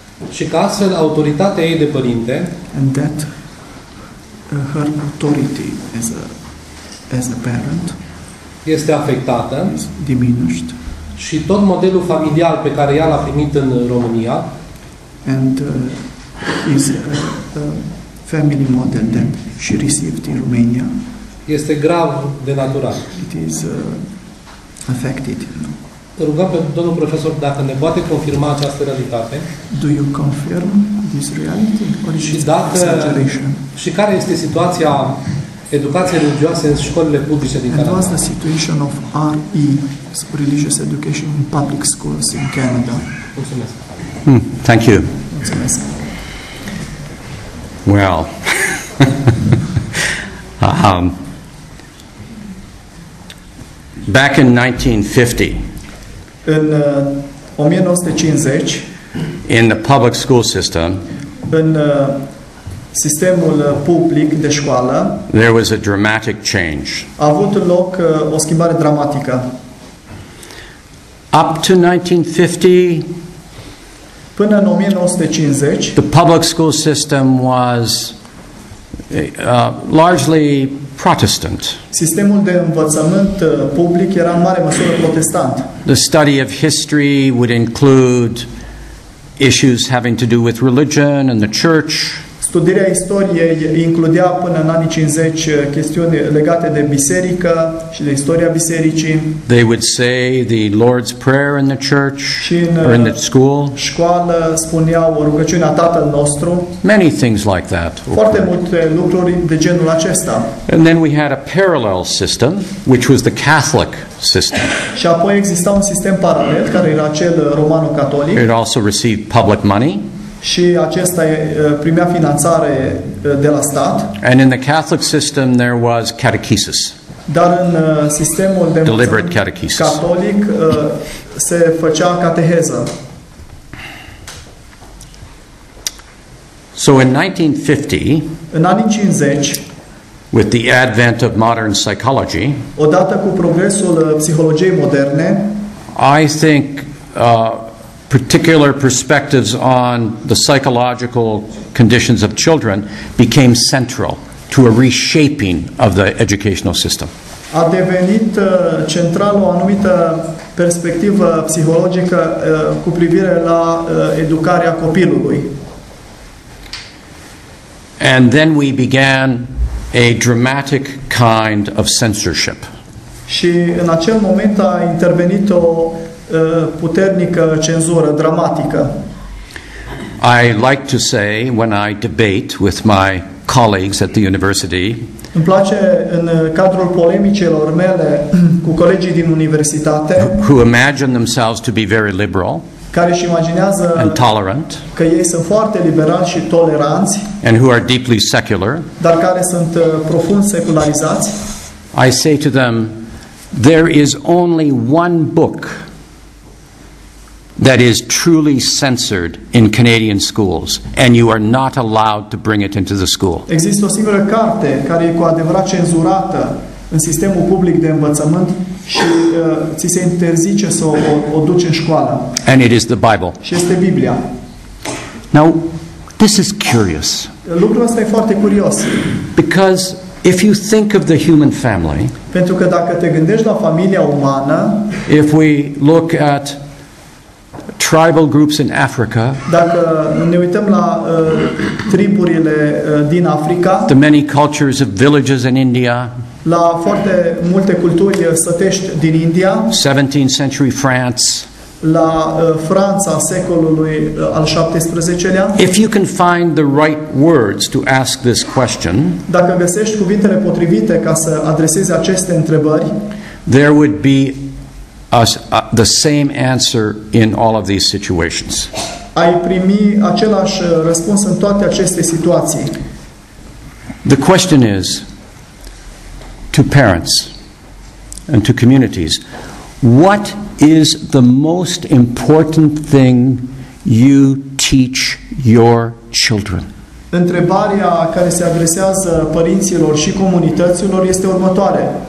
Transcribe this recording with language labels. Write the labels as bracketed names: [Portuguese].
[Romanian] și că astfel autoritatea ei de părinte, [English] and that her authority as a parent, [Romanian] este afectată, [English] diminished, [Romanian] și tot modelul familial pe care ea l-a primit în România, [English] and is a family model that she received in Romania, [Romanian] este grav de natural. [English] It is affected. [Romanian] Rugăm pe domnul profesor dacă ne poate confirma această realitate. [English] Do you confirm this reality? Or [Romanian] și dacă și care este situația educație religioasă în școlile publice din Canada. [English] And what's the situation of RE, religious education in public schools in Canada? [Romanian] Mulțumesc. [English] Thank you. [Romanian] Mulțumesc. [English] Well. back in 1950. [Romanian] În 1950, [English] in the public school system, [Romanian] în sistemul public de școală. [English] There was a dramatic change. [Romanian] A avut loc o schimbare dramatică. [English] Up to 1950, [Romanian] până în 1950, [English] the public school system was largely Protestant. [Romanian] Sistemul de învățământ public era în mare măsură protestant. [English] The study of history would include issues having to do with religion and the church. [Romanian] Studierea istoriei includea până în anii 50 chestiuni legate de biserică și de istoria bisericii. [English] They would say the Lord's Prayer in the church or in the school. [Romanian] Școală spuneau o rugăciune a Tatăl nostru. [English] Many things like that. [Romanian] Foarte multe lucruri de genul acesta. [English] And then we had a parallel system, which was the Catholic system. [Romanian] Și apoi exista un sistem paralel care era cel romano-catolic. [English] It also received public money. [Romanian] Și acesta primea finanțare de la stat. [English] And in the Catholic system there was catechesis. [Romanian] Dar în sistemul de învățământ catolic se făcea cateheză. [English] So in 1950, [Romanian] în anii 50, [English] with the advent of modern psychology, [Romanian] odată cu progresul psihologiei moderne, [English] I think particular perspectives on the psychological conditions of children became central to a reshaping of the educational system. [Romanian] A devenit central o anumită perspectivă psihologică cu privire la educarea copilului. [English] And then we began a dramatic kind of censorship. [Romanian] Și în acel moment a intervenit o puternică cenzură dramatică. [English] I like to say when I debate with my colleagues at the university. [Romanian] Îmi place în cadrul polemicelor mele cu colegii din universitate. [English] Who imagine themselves to be very liberal. [Romanian] Care își imaginează [English] and tolerant, [Romanian] că ei sunt foarte liberali și toleranți. [English] And who are deeply secular. [Romanian] Dar care sunt profund secularizați. [English] I say to them, there is only one book that is truly censored in Canadian schools and you are not allowed to bring it into the school. [Romanian] Există o singură carte care e cu adevărat cenzurată în sistemul public de învățământ și ți se interzice să o duci în școală. [English] And it is the Bible. [Romanian] Și este Biblia. [English] Now, this is curious. [Romanian] Lucrul ăsta e foarte curios. [English] Because if you think of the human family, [Romanian] pentru că dacă te gândești la familia umană, [English] if we look at tribal groups in Africa. [Romanian] Dacă ne uităm la triburile din Africa. [English] The many cultures of villages in India. [Romanian] La foarte multe culturi sătești din India. [English] 17th century France. [Romanian] La Franța secolului al 17-lea. [English] If you can find the right words to ask this question. [Romanian] Dacă găsești cuvintele potrivite ca să adresezi aceste întrebări. [English] There would be the same answer in all of these situations. [Romanian] Ai primi același răspuns în toate aceste situații. [English] The question is to parents and to communities, what is the most important thing you teach your children? [Romanian] Întrebarea care se adresează părinților și comunităților este următoare.